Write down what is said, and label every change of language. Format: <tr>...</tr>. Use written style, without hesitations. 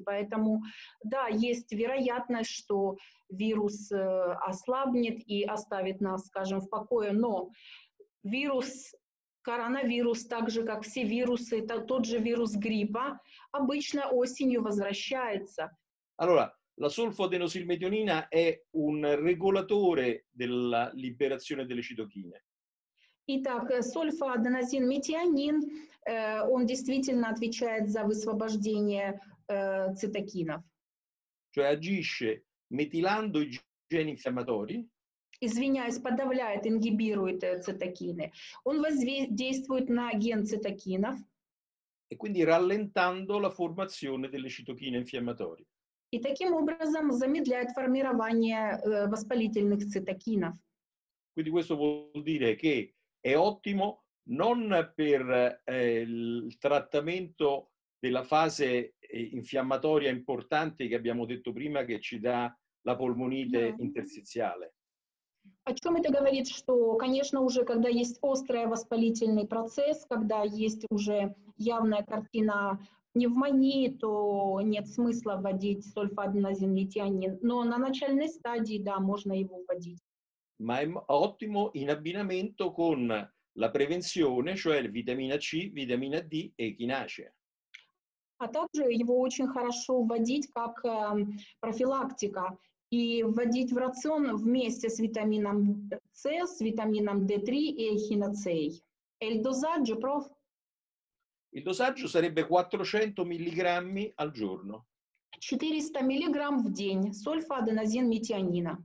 <ru>Поэтому да, есть вероятность, что вирус ослабнет и оставит нас, скажем, в покое, но вирус, коронавирус, так же, как все вирусы, это тот же вирус гриппа, обычно осенью возвращается.</ru> <it>Allora, la solfadenosilmetionina è un regolatore della liberazione delle citochine.</it> <ru>Итак, сульфаденозинметионин, он действительно отвечает за высвобождение цитокинов.</ru> <it>Cioè agisce metilando i geni infiammatori.</it> <ru>Извиняюсь, подавляет, ингибирует цитокины. Он воздействует на ген цитокинов.</ru> <it>E quindi rallentando la formazione delle citochine infiammatorie.</it> <ru>И таким образом замедляет формирование воспалительных цитокинов.</ru> <it>Quindi questo vuol dire che è ottimo non per il trattamento della fase infiammatoria importante che abbiamo detto prima, che ci dà la polmonite interstiziale.</it> <ru>О чем это говорит? Что, конечно, уже когда есть острый воспалительный процесс, когда есть уже явная картина пневмонии, то нет смысла вводить сульфаденозинметионин. Но на начальной стадии, да, можно его вводить.</ru> <it>Ma è ottimo in abbinamento con la prevenzione, cioè vitamina C, vitamina D e echinacea.</it> <ru>А также его очень хорошо вводить как профилактика. И вводить в рацион вместе с витамином С, с витамином D3 и эхиноцеей.</ru> <it>El dosaggio, prof? Il dosaggio sarebbe 400 mg al giorno.</it> <ru>400 mg в день сульфаденозинметионина.</ru>